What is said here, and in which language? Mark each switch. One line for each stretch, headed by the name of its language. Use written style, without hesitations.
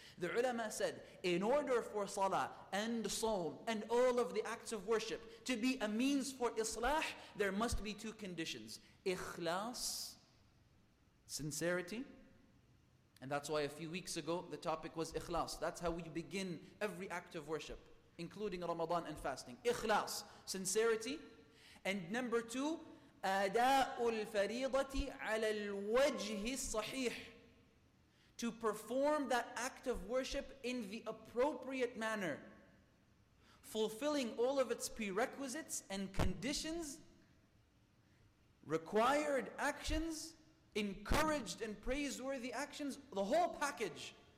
English: The ulama said, in order for salah and sawm and all of the acts of worship to be a means for islah, there must be two conditions. Ikhlas, sincerity. And that's why a few weeks ago the topic was ikhlas. That's how we begin every act of worship, including Ramadan and fasting. Ikhlas, sincerity. And number two,
Arabic: أداء الفريضة على الوجه الصحيح.
English: To perform that act of worship in the appropriate manner, fulfilling all of its prerequisites and conditions, required actions, encouraged and praiseworthy actions, the whole package.